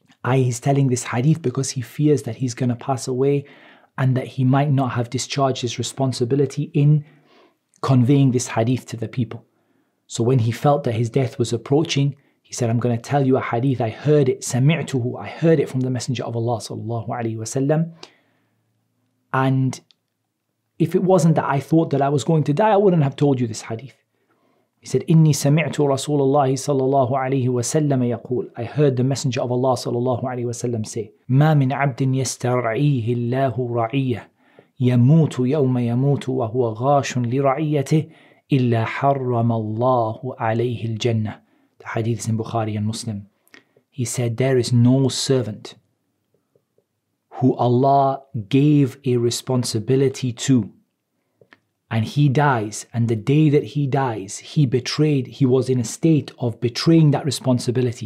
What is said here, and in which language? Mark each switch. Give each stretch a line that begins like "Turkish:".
English: He's telling this hadith because he fears that he's going to pass away and that he might not have discharged his responsibility in conveying this hadith to the people. So when he felt that his death was approaching, he said, I'm going to tell you a hadith. I heard it. Sami'tuhu. I heard it from the Messenger of Allah sallallahu alayhi wa sallam. And if it wasn't that I thought that I was going to die, I wouldn't have told you this hadith. He said,
Arabic: إِنِّي سَمِعْتُ رَسُولَ اللَّهِ صَلَى اللَّهُ عَلَيْهِ وَسَلَّمَ يَقُولُ.
English: I heard the Messenger of Allah صلى الله عليه وسلم say,
Arabic: مَا مِنْ عَبْدٍ يَسْتَرْعِيهِ اللَّهُ رَعِيَّةِ يَمُوتُ يَوْمَ يَمُوتُ وَهُوَ غَاشٌ لِرَعِيَّتِهِ إِلَّا حَرَّمَ اللَّهُ عَلَيْهِ الْجَنَّةِ.
English: The hadith is in Bukhari and Muslim. He said, there is no servant who Allah gave a responsibility to, and he dies, and the day that he dies, he was in a state of betraying that responsibility.